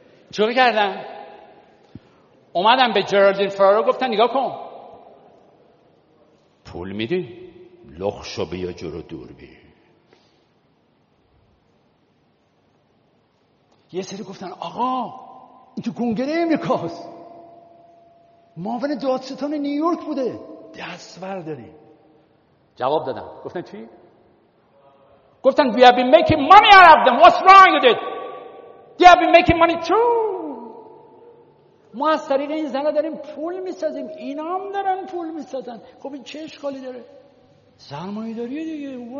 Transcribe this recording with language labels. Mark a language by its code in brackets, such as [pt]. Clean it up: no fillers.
[fa] چه کردن؟ اومدن به جرالدین فرارو گفتن نگاه کن پول میدی؟ لخشو بیا جلو دور بی. یه سری گفتن آقا این تو کنگره امریکاست، معاون دادستان نیویورک بوده، دست برداری. جواب دادن، گفتن چی؟ گفتن [en] we have been making money out of them. What's wrong with it? They have been making money too. [fa] ما از طریق این زنها داریم پول میسازیم، اینا هم دارن پول میسازن. خب این چه اشکالی داره؟ سرمایه داریه دیگه.